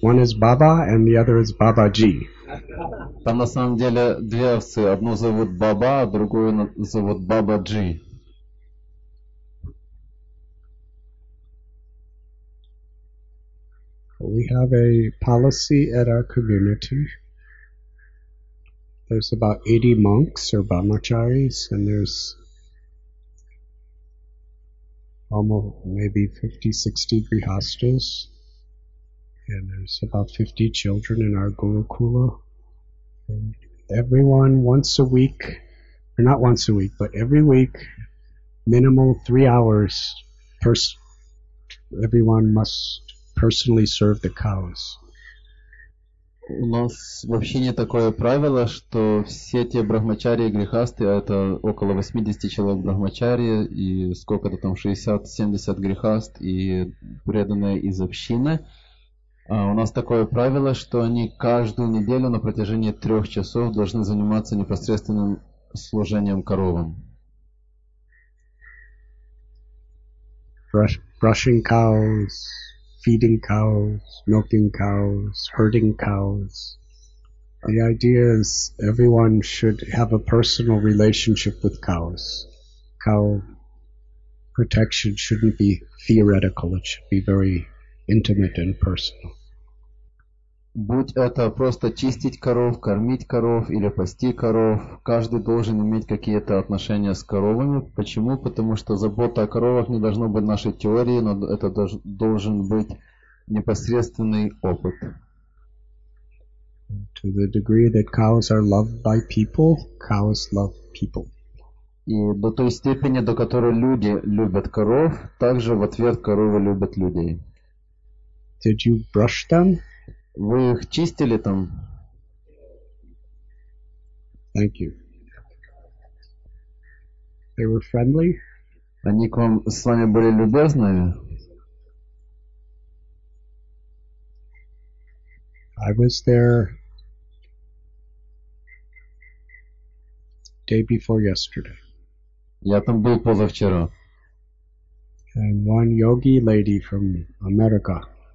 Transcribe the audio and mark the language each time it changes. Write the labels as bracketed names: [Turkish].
[English] One is Baba and the other is Babaji. [Russian] Там на самом деле две овцы. Одну зовут Баба, а другую зовут Бабаджи. [English] We have a policy at our community. There's about 80 monks or brahmacharis, and there's almost maybe 50-60 grihastas, and there's about 50 children in our gurukula. And everyone once a week, or not once a week, but every week, minimal 3 hours, everyone must personally serve the cows. [Russian] У нас вообще не такое правило, что все те брахмачари и грихасты, а это около 80 человек брахмачари и сколько-то там 60-70 грихаст и преданные из общины. А у нас такое правило, что они каждую неделю на протяжении 3 часов должны заниматься непосредственным служением коровам. [English] Brushing cows. Feeding cows, milking cows, herding cows. The idea is everyone should have a personal relationship with cows. Cow protection shouldn't be theoretical, it should be very intimate and personal. [Russian] Будь это просто чистить коров, кормить коров или пасти коров, каждый должен иметь какие-то отношения с коровами. Почему? Потому что забота о коровах не должна быть нашей теорией, но это должен быть непосредственный опыт. [English] To the degree that cows are loved by people, cows love people. [Russian] И до той степени, до которой люди любят коров, также в ответ коровы любят людей. [English] Did you brush them? [Russian] Вы их чистили там? [English] Thank you. They were friendly. [Russian] Они к вам с вами были любезные? [English] I was there day before yesterday. [Russian] Я там был позавчера. [English] And one yogi lady from America.